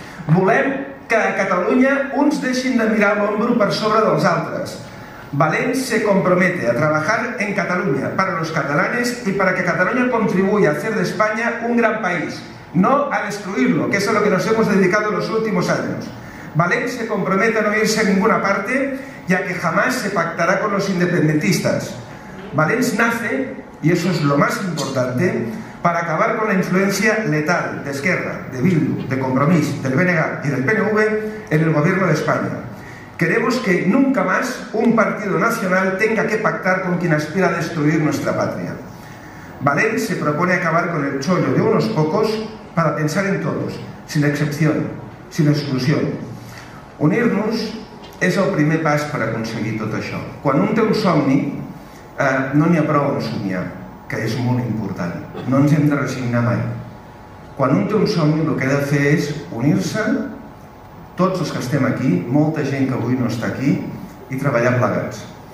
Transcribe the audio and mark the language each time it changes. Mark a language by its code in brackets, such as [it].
[ca] Volem que a Catalunya uns deixin de mirar l'ombro per sobre dels altres. [es] Valens se compromete a trabajar en Catalunya [ca] per als catalanes i perquè Catalunya contribuï a fer d'Espanya un gran país, no a destruir-lo, que és a [es] lo que nos hemos dedicado los últimos años. Valens se compromete a no irse a ninguna parte, ya que jamás se pactará con los independentistas. Valens nace, y eso es lo más importante, para acabar con la influencia letal de Esquerra, de Bildu, de Compromís, del BNG y del PNV en el gobierno de España. Queremos que nunca más un partido nacional tenga que pactar con quien aspira a destruir nuestra patria. Valens se propone acabar con el chollo de unos pocos para pensar en todos, sin excepción, sin exclusión. [ca] Unir-nos és el primer pas per aconseguir tot això. Quan un té un somni, no n'hi ha prou a somiar, que és molt important. No ens hem de resignar mai. Quan un té un somni, el que ha de fer és unir-se, tots els que estem aquí, molta gent que avui no està aquí, i treballar plegats.